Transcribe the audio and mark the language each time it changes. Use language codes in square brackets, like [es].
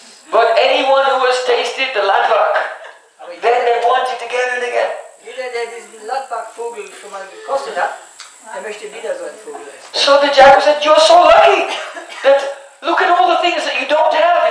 [en] But anyone who has tasted the Latwak, then they want it again and again. [de] Jeder, der diesen Latwak-Vogel schon mal gekostet hat, er möchte wieder so einen Vogel essen. [en] So the jackal said, you're so lucky that look at all the things that you don't have.